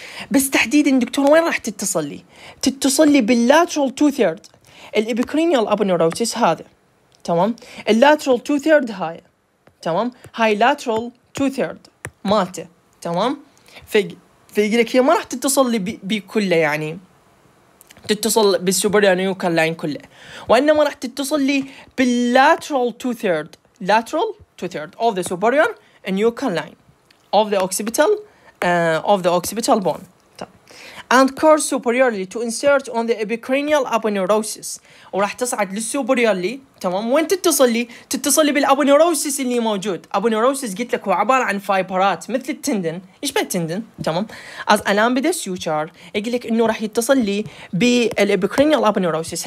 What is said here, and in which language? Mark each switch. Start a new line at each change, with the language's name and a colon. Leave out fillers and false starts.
Arabic: بس تحديدا دكتور وين راح تتصل لي؟ تتصل لي باللاترال تو ثيرد الابيكرينيال ابونيروسيس، هذا تمام، اللاترال تو ثيرد هاي، تمام، هاي لاترال تو ثيرد مالته، تمام. فيقول لك هي ما راح تتصل لي بكله، يعني تتصل بالسوبرانيو كان لاين كله، وإنما راح تتصل لي باللاترال تو ثيرد،
English: Lateral to third of the superior nuchal line of the occipital of the occipital bone and course superiorly to insert on the epicranial aponeurosis.
Arabic: وراح تصعد للسوبريالي، تمام؟ وين تتصل لي؟ تتصل لي بالابونيوروسيس اللي موجود. ابونيوروسيس قلت لك هو عبارة عن فايبرات مثل التندن. ايش بقى التندن؟ تمام؟ از الامبيدا سيوتشر يقول لك انه راح يتصل لي بالابيكرينيال ابونيوروسيس.